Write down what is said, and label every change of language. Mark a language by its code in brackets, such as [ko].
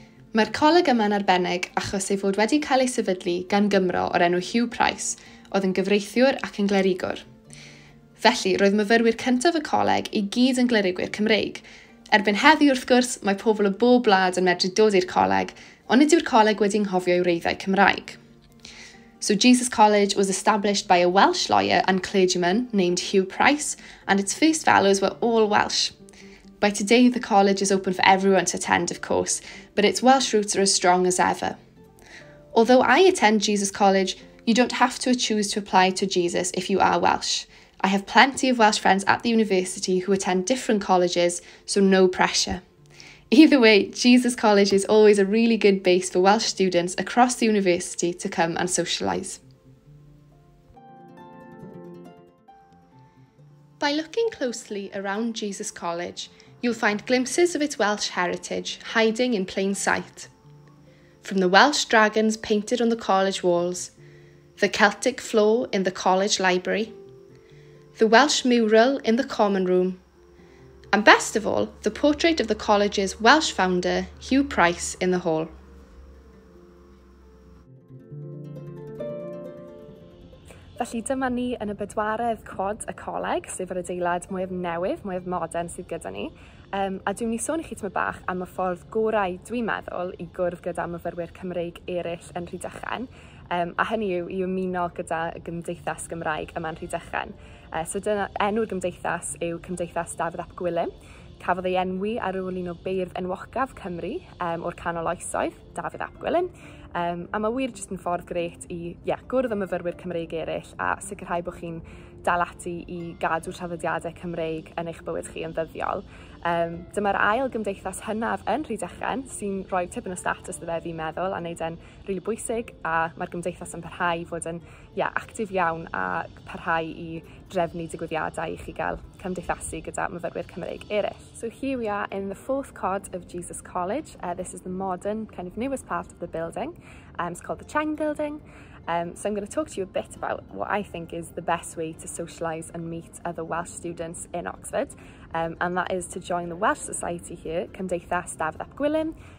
[cy] Mae'r coleg yma'n arbennig achos ei fod wedi cael ei sefydlu gan Gymro o'r enw Hugh Price, oedd yn gyfreithiwr ac yn glerigwr. Felly, roedd myfyrwyr cyntaf y coleg I gyd yn glerigwyr Cymreig. Erbyn heddi wrth gwrs, mae pobl o bob blad yn medru dod i'r coleg, ond nid yw'r coleg wedi'n hofio i'w wreiddiau Cymraeg. [en] So Jesus College was established by a Welsh lawyer and clergyman named Hugh Price, and its first fellows were all Welsh. By today, the college is open for everyone to attend, of course, but its Welsh roots are as strong as ever. Although I attend Jesus College, you don't have to choose to apply to Jesus if you are Welsh. I have plenty of Welsh friends at the university who attend different colleges, so no pressure. Either way, Jesus College is always a really good base for Welsh students across the university to come and socialise. By looking closely around Jesus College, you'll find glimpses of its Welsh heritage hiding in plain sight. From the Welsh dragons painted on the college walls, the Celtic floor in the college library, the Welsh mural in the common room, and best of all, the portrait of the college's Welsh founder, Hugh Price, in the hall. [cy] Felly dyma ni yn y bedwaredd quad y coleg, sef yr adeilad mwyaf newydd, mwyaf modern sydd gyda ni. A dwi'n mynd I sôn I chi tymor bach am y ffordd gorau dwi'n meddwl I gwrdd gyda myfyrwyr Cymreig eraill yn Rhydychen. A hynny yw I ymuno gyda Gymdeithas Gymraeg yma'n Rhydychen. So dyna enw'r gymdeithas yw Cymdeithas Dafydd ap Gwilym. Cafodd ei enwi ar ôl un o beirdd enwocaf Cymru o'r canol oesoedd, Dafydd ap Gwilym. A mae wir jyst yn ffordd gret I gwrdd y myfyrwyr Cymreig eraill a sicrhau bod chi'n dal ati I gadw traddodiadau Cymreig yn eich bywyd chi yn ddyddiol. Dyma'r ail gymdeithas hynaf yn Rhydychen sy'n rhoi tipyn o status ddyfe fi'n meddwl a wneud e'n rili bwysig a mae'r gymdeithas yn parhau I fod yn actif iawn a parhau I drefnu digwyddiadau I chi gael cymdeithasu gyda myfyrwyr Cymreig eraill. [en] So here we are in the fourth cod of Jesus College. This is the modern, kind of newest part of the building. It's called the Cheng Building. So I'm going to talk to you a bit about what I think is the best way to socialise and meet other Welsh students in Oxford. And that is to join the Welsh Society here, Cymdeithas Dafydd ap Gwilym.